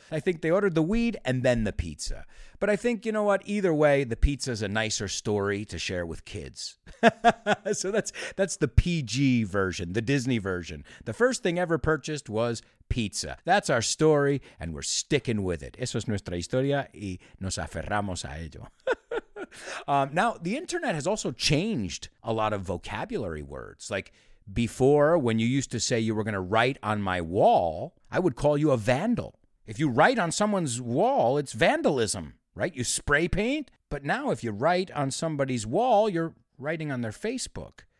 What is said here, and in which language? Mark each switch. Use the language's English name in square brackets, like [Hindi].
[English] I think they ordered the weed and then the pizza. But I think, you know what? Either way, the pizza is a nicer story to share with kids. So that's the PG version, the Disney version. The first thing ever purchased was pizza. That's our story and we're sticking with it. [Spanish] Eso es nuestra historia y nos aferramos a ello. [English] Now, the internet has also changed a lot of vocabulary words. Like before, when you used to say you were going to write on my wall, I would call you a vandal. If you write on someone's wall, it's vandalism, right? You spray paint. But now if you write on somebody's wall, you're writing on their Facebook.